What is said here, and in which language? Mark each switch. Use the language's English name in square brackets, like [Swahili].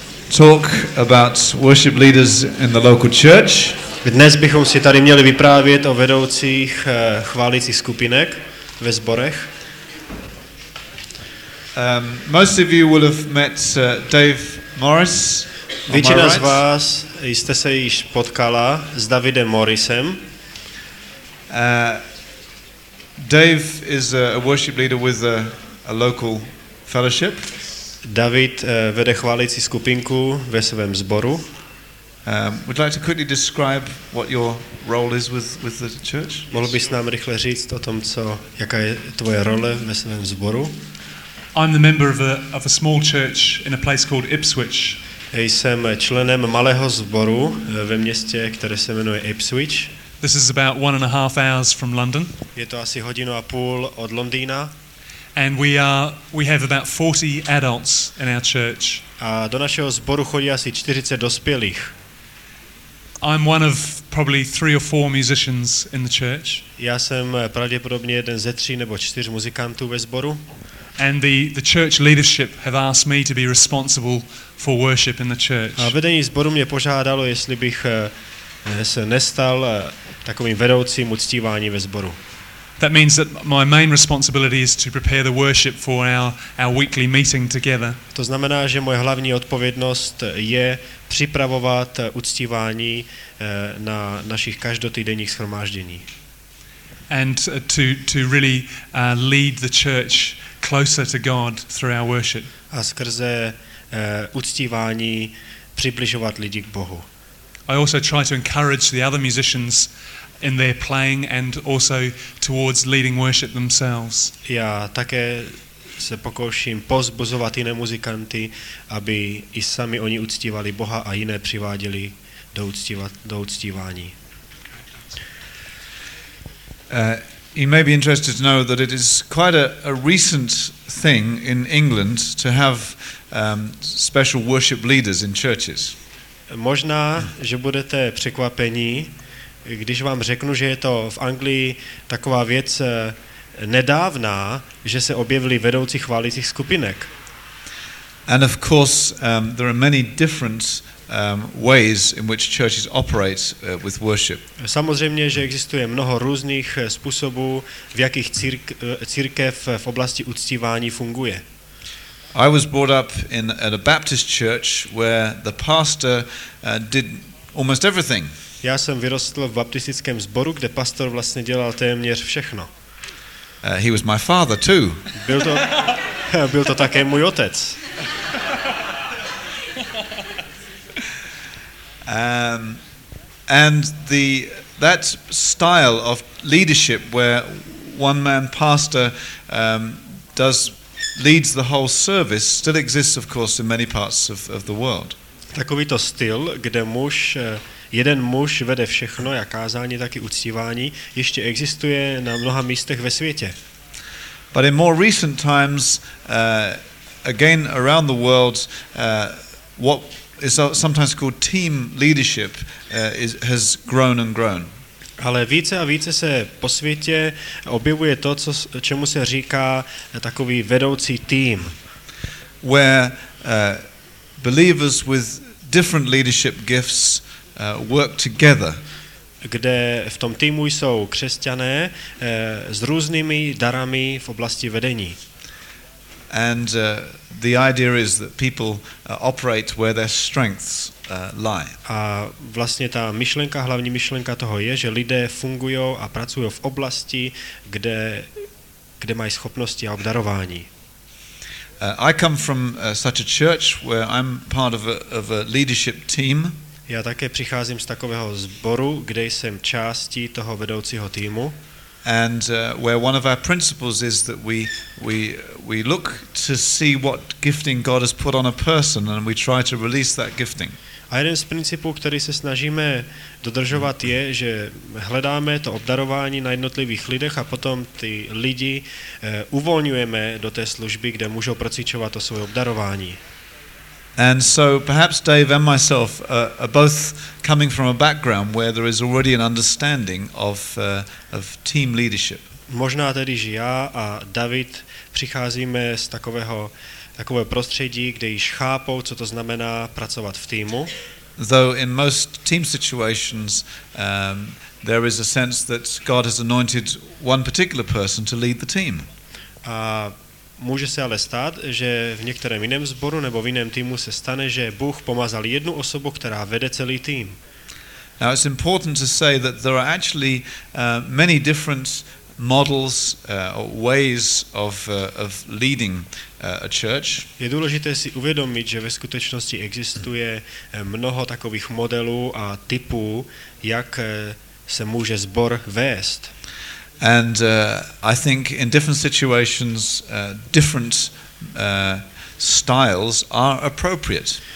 [English] talk about worship leaders in the local church. [Czech] Dnes bychom si tady měli vyprávět o vedoucích chválících skupinek ve sborech. [English] Most of you will have met Dave Morris. [Czech] Většina z vás jste se již potkala s Davidem Morrisem. [English] Dave is a worship leader with a local fellowship. [Czech] David vede chválící skupinku ve svém sboru. [English] Would like to quickly describe what your role is with the church? [Czech] Mohl bys nám rychle říct o tom, co jaká je tvoje role ve svém sboru? [English] I'm the member of a small church in a place called Ipswich. [Czech] Jsem členem malého sboru ve městě, které se jmenuje Ipswich. [English] This is about 1.5 hours from London. [Czech] Je to asi hodinu a půl od Londýna. [English] And we have about 40 adults in our church. [Czech] A do našeho sboru chodí asi 40 dospělých. [English] I'm one of probably 3 or 4 musicians in the church. [Czech] Já jsem pravděpodobně jeden ze 3 nebo 4 muzikantů ve sboru. [English] And the church leadership have asked me to be responsible for worship in the church. [Czech] A vedení sboru mě požádalo, jestli bych se nestal takovým vedoucím uctívání ve sboru. [English] That means that my main responsibility is to prepare the worship for our weekly meeting together. [Czech] To znamená, že moje hlavní odpovědnost je připravovat uctívání na našich každotýdenních shromáždění. [English] And to really lead the church closer to God through our worship. [Czech] A skrze uctívání přibližovat lidi k Bohu. [English] I also try to encourage the other musicians in their playing and also towards leading worship themselves. [Czech] Já také se pokouším pozbuzovat jiné muzikanty, aby i sami oni uctívali Boha a jiné přiváděli do uctívání. [English] You may be interested to know that it is quite a recent thing in England to have special worship leaders in churches. [Czech] Možná, že budete překvapení, když vám řeknu, že je to v Anglii taková věc nedávná, že se objevily vedoucí chválících skupinek. [English] And of course, there are many different ways in which churches operate with worship. [Czech] Samozřejmě, že existuje mnoho různých způsobů, v jakých církev v oblasti uctívání funguje. [English] I was brought up at a Baptist church where the pastor did almost everything. [Czech] Já jsem vyrostl v baptistickém sboru, kde pastor vlastně dělal téměř všechno. [English] He was my father too. [Czech] Byl to také můj otec. [English] And that style of leadership where one man pastor leads the whole service still exists of course in many parts of the world. [Czech] Takový to styl, kde muž jeden muž vede všechno, jak kázání, tak i uctívání, ještě existuje na mnoha místech ve světě. [English] But in more recent times, again around the world, what is sometimes called team leadership has grown and grown. [Czech] Ale více a více se po světě objevuje to, čemu se říká takový vedoucí tým. [English] Where believers with different leadership gifts work together. [Czech] Kde v tom týmu jsou křesťané s různými darami v oblasti vedení. [English] And the idea is that people operate where their strengths lie. [Czech] A vlastně ta myšlenka, hlavní myšlenka toho je, že lidé fungují a pracují v oblasti, kde mají schopnosti a obdarování. [English] I come from such a church where I'm part of a leadership team. [Czech] Já také přicházím z takového sboru, kde jsem částí toho vedoucího týmu. [English] And where one of our principles is that we look to see what gifting God has put on a person and we try to release that gifting. [Czech] A jeden z principů, který se snažíme dodržovat, je, že hledáme to obdarování na jednotlivých lidech a potom ty lidi uvolňujeme do té služby, kde můžou procvičovat to svoje obdarování. [English] And so perhaps Dave and myself are both coming from a background where there is already an understanding of team leadership. [Czech] Možná tedy, že já a David přicházíme z takového takové prostředí, kde již chápou, co to znamená pracovat v týmu. [English] Though in most team situations there is a sense that God has anointed one particular person to lead the team. [Czech] A může se ale stát, že v některém jiném sboru nebo v jiném týmu se stane, že Bůh pomazal jednu osobu, která vede celý tým. [English] Now it's important to say that there are actually many different models or ways of leading a church. [Czech] Je důležité si uvědomit, že ve skutečnosti existuje mnoho takových modelů a typů, jak se může sbor vést. [English] And I think in different situations different styles are appropriate.